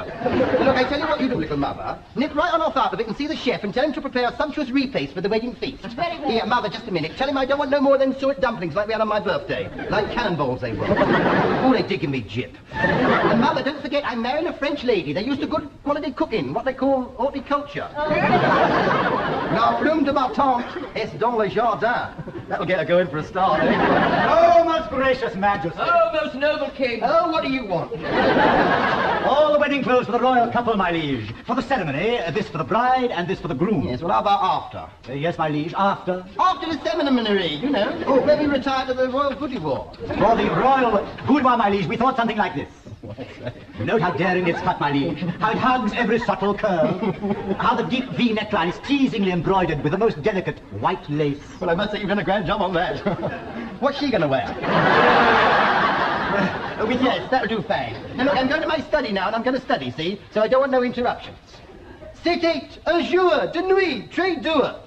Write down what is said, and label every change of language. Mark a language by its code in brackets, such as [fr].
[en] Look, I tell you what you do, little Mother. Nip right on off out of it and see the chef and tell him to prepare a sumptuous repaste for the wedding feast. Very well. Here, Mother, just a minute. Tell him I don't want no more of them suet dumplings like we had on my birthday. Like cannonballs they were. Oh, they're digging me jip. And Mother, don't forget, I'm marrying a French lady. They're used to good quality cooking, what they call horticulture. [fr] La plume de ma tante est dans le jardin. [en] That'll get her going for a start. Oh, most gracious majesty. Oh, most noble king. Oh, what do you want? All the wedding clothes for the royal couple, my liege. For the ceremony, this for the bride and this for the groom. Yes, well, how about after? Yes, my liege, after. After the ceremony, you know. Oh, when we retire to the royal boudoir. For the royal boudoir, my liege, we thought something like this. Note how daring it's cut, my liege. How it hugs every subtle curve. How the deep V neckline is teasingly embroidered with the most delicate white lace. Well, I must say you've done a grand job on that. What's she gonna wear? Yes, that'll do fine. Now look, I'm going to my study now, and I'm gonna study, see? So I don't want no interruptions. [fr] C'est eight, un jour, de nuit, très dur.